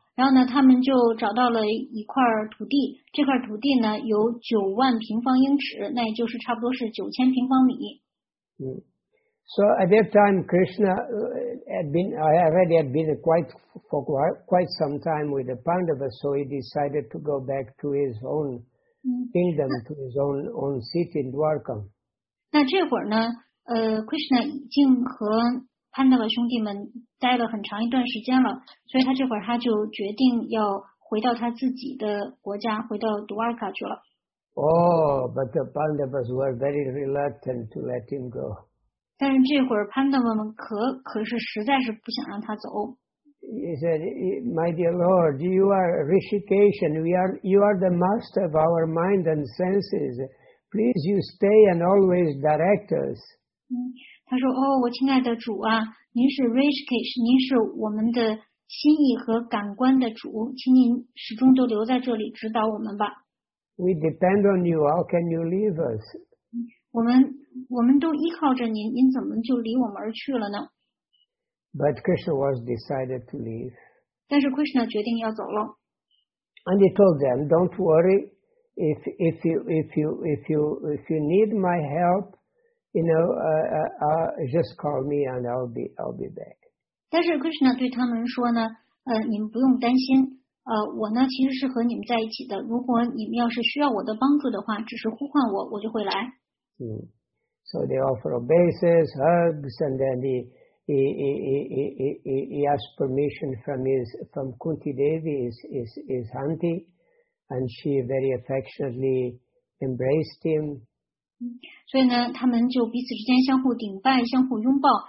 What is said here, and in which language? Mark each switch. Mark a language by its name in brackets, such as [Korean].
[Chinese] 然后呢，他们就找到了一块土地。这块土地呢，有90,000平方英尺，那也就是差不多是9,000平方米。 [English] So at that time, Krishna had been quite some time with the Pandavas, so he decided to go back to his own kingdom, to his own city in Dwarka. [Chinese] 那这会儿呢，Krishna 已经和 Pandava 兄弟们待了很长一段时间了，所以他这会儿他就决定要回到他自己的国家，回到 Dwarka 去了。 [English] But the Pandavas were very reluctant to let him go. [Chinese] 但是这会儿 Pandava 们可是实在是不想让他走。 [English] He said, "My dear Lord, you are Rishikesh, and you are the master of our mind and senses. Please, you stay and always direct us." [Chinese] 他说，哦，我亲爱的主啊，您是 Rishikesh， 您是我们的心意和感官的主，请您始终都留在这里指导我们吧。 [English] We depend on you. How can you leave us? [Chinese] 我们都依靠着您，您怎么就离我们而去了呢？ [English] But Krishna was decided to leave. [Chinese] 但是 Krishna 决定要走了。 [English] And he told them, "Don't worry. If you need my help, you know, just call me and I'll be back." [Chinese] 但是 Krishna 对他们说呢，你们不用担心，我呢其实是和你们在一起的。如果你们要是需要我的帮助的话，只是呼唤我，我就会来。 [English] So they offer obeisance, hugs, and then he asked permission from Kunti Devi, his auntie, and she very affectionately embraced him. [Chinese] 所以呢，他们就彼此之间相互顶拜，相互拥抱。